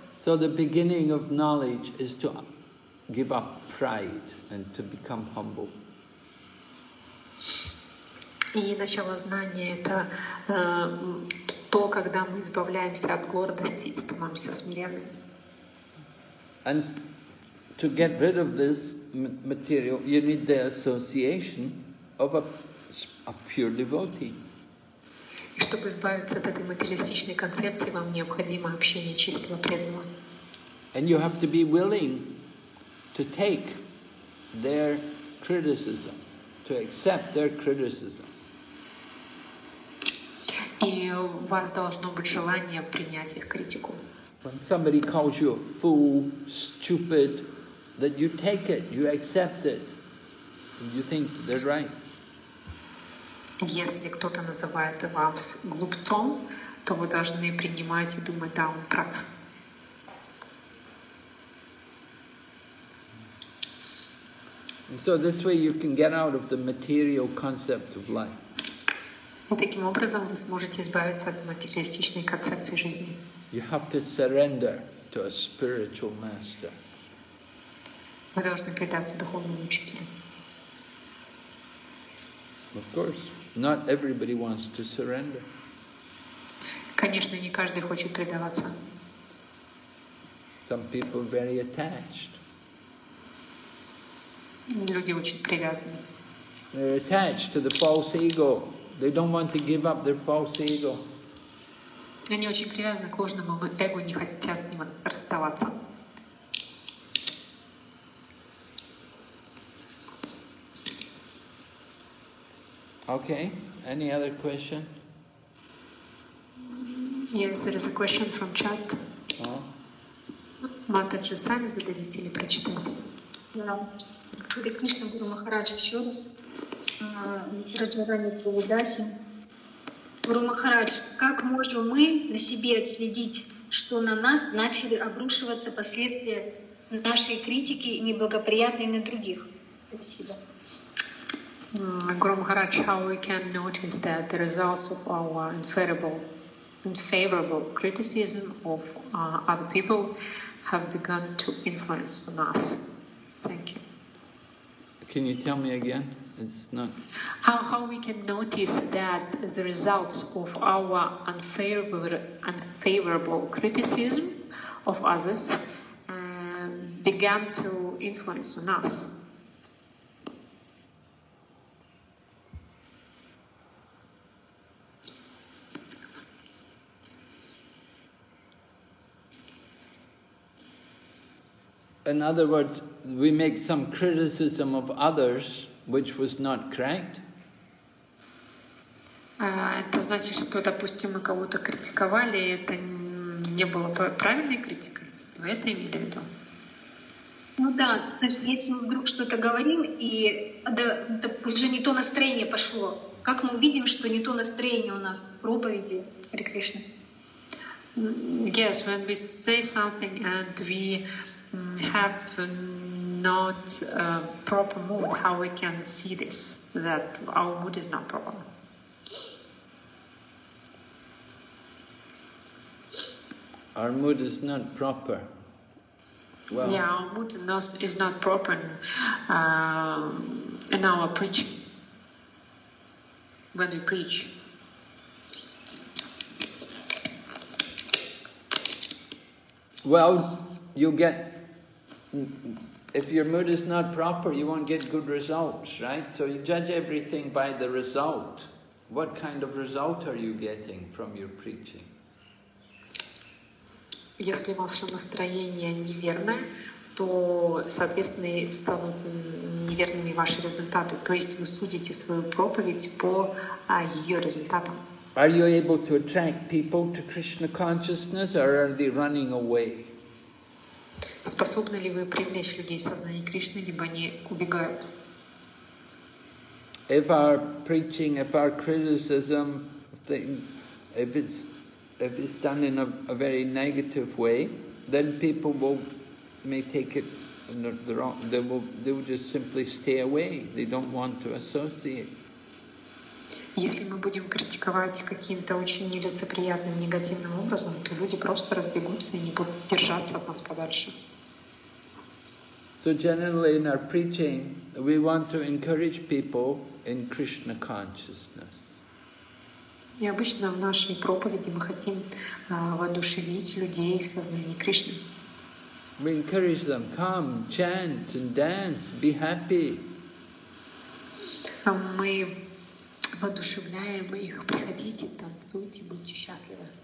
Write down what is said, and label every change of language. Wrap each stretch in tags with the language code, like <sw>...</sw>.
<en>So the beginning of knowledge is to give up pride and to become humble.</en> <ru>И начало знания — это то, когда мы избавляемся от гордости и становимся смиренными.</ru> <en>And to get rid of this material, you need the association of a pure devotee.</en> <ru>И чтобы избавиться от этой материалистичной концепции, вам необходимо общение чистого преданного.</ru> <en>And you have to be willing to take their criticism, to accept their criticism.</en> <ru>И у вас должно быть желание принять их критику.</ru> <en>When somebody calls you a fool, stupid, that you take it, you accept it, and you think they're right.</en> <ru>Если кто-то называет вас глупцом, то вы должны принимать и думать: да, он прав.</ru> <en>And so this way you can get out of the material concept of life.</en> <ru>И таким образом вы сможете избавиться от материалистичной концепции жизни.</ru> <en>You have to surrender to a spiritual master.</en> <ru>Вы должны предаться духовному учителю.</ru> <en>Of course. Not everybody wants to surrender.</en> <ru>Конечно, не каждый хочет предаваться.</ru> <en>Some people are very attached.</en> <ru>Люди очень привязаны.</ru> <en>They're attached to the false ego. They don't want to give up their false ego.</en> <ru>Они очень привязаны к ложному эго, не хотят с ним расставаться.</ru> <en>Okay, any other question? Yes, there is a question from chat. Oh.</en> <ru>Матаджи, сами задавите или прочитайте? Да. Кришна Гуру Махарадж, еще раз. Раджарани Прабху Даси. Гуру Махарадж, как можем мы на себе отследить, что на нас начали обрушиваться последствия нашей критики, неблагоприятной на других? Спасибо.</ru> <en>Гуру Махарадж, how we can notice that the results of our unfavorable criticism of other people have begun to influence on us? Thank you. Can you tell me again? It's not. How we can notice that the results of our unfavorable criticism of others began to influence on us? In other words, we make some criticism of others which was not correct.</en> <ru>Это значит, что, допустим, мы кого-то критиковали, и это не было правильной критикой. Вы это имели в виду? Ну да, то есть если мы вдруг что-то говорим, и да, уже не то настроение пошло, как мы увидим, что не то настроение у нас в проповеди Hare Krishna?</ru> <en>Yes, when we say something and we have not a proper mood, how we can see this, that our mood is not proper. Our mood is not proper. Well, yeah, our mood is not proper in our preaching, when we preach. Well, you get, if your mood is not proper, you won't get good results, right? So you judge everything by the result. What kind of result are you getting from your preaching?</en> <ru>Если ваше настроение неверное, то, соответственно, станут неверными ваши результаты. То есть вы судите свою проповедь по ее результатам.</ru> <en>Are you able to attract people to Krishna consciousness, or are they running away?</en> <ru>Способны ли вы привлечь людей в сознание Кришны, либо они убегают?</ru> <en>If our preaching, if our criticism, things, if it's done in a very negative way, then people may take it in the wrong. They will just simply stay away. They don't want to associate.</en> <ru>Если мы будем критиковать каким-то очень нелицеприятным, негативным образом, то люди просто разбегутся и не будут держаться от нас подальше.</ru> <en>So generally in our preaching, we want to encourage people in Krishna consciousness.</en> <ru>И обычно в нашей проповеди мы хотим воодушевить людей в сознании Кришны.</ru> <en>We encourage them, come, chant and dance, be happy.</en> <ru>Мы воодушевляем их, приходите, танцуйте, будьте счастливы.</ru>